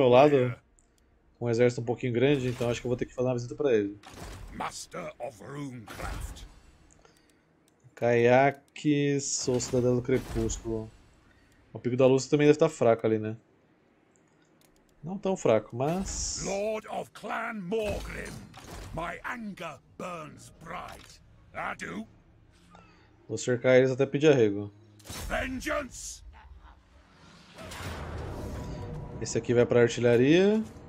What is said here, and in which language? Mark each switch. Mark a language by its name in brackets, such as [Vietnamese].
[Portuguese] meu lado, [English] mayor. [Portuguese] com um exército um pouquinho grande, então acho que eu vou ter que fazer uma visita para ele. [English] Master of Runecraft. [Portuguese] Caiaque, sou cidadão do crepúsculo. O pico da luz também deve estar fraco ali, né? Não tão fraco, mas. [English] Lord of Clan Morgrim, my anger burns bright. [French] Adieu. [Portuguese] Vou cercar eles até pedir arrego. [English] Vengeance. [Portuguese] Esse aqui vai para artilharia.